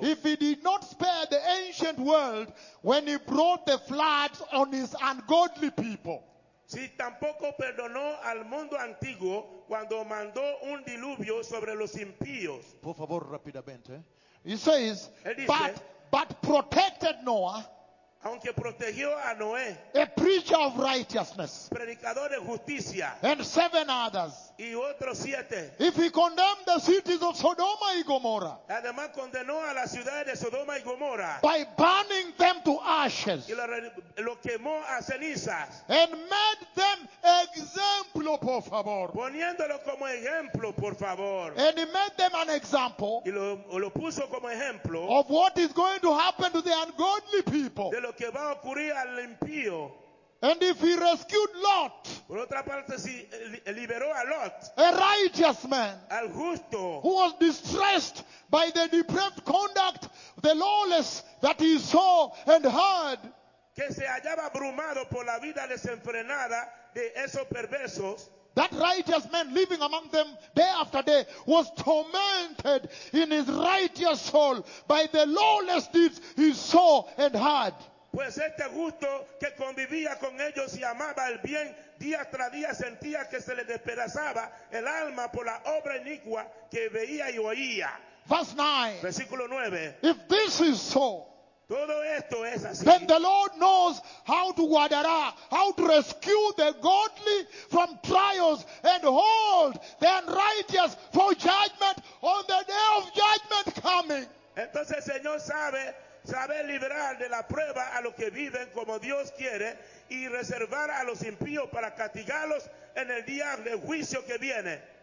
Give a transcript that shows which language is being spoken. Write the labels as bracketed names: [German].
[English] If he did not spare the ancient world when he brought the floods on his ungodly people. [Spanish] Si tampoco perdonó al mundo antiguo cuando mandó un diluvio sobre los impíos. Por favor, rápidamente. [English] He says, [Spanish] dice, [English] but protected Noah, [Spanish] aunque protegió a Noé, [English] a preacher of righteousness, [Spanish] predicador de justicia, [English] and seven others, [Spanish] y otros siete. [English] If he condemned the cities of Sodoma and Gomorrah, [Spanish] además condenó a las ciudades de Sodoma y Gomorra, [English] by burning them to ashes, [Spanish] y lo quemó a cenizas, [English] and made them example, [Spanish] por favor, poniéndolo como ejemplo, por favor, [English] and he made them an example, [Spanish] y lo puso como ejemplo, [English] of what is going to happen to the ungodly people, [Spanish] de lo que va a ocurrir al impío. [English] And if he rescued Lot, [Spanish] por otra parte, si liberó a Lot, [English] a righteous man, [Spanish] al justo, [English] who was distressed by the depraved conduct, the lawless that he saw and heard, [Spanish] que se hallaba abrumado por la vida desenfrenada de esos perversos, [English] that righteous man living among them day after day was tormented in his righteous soul by the lawless deeds he saw and heard. [Spanish] Pues este justo que convivía con ellos y amaba el bien día tras día sentía que se le despedazaba el alma por la obra inicua que veía y oía. [English] Verse 9. [Spanish] Versículo 9. [English] If this is so, [Spanish] todo esto es así, [English] then the Lord knows how to guardará, how to rescue the godly from trials and hold the unrighteous for judgment on the day of judgment coming. [Spanish] Entonces el Señor sabe, sabe liberar de la prueba a los que viven como Dios quiere y reservar a los impíos para castigarlos en el día de juicio que viene.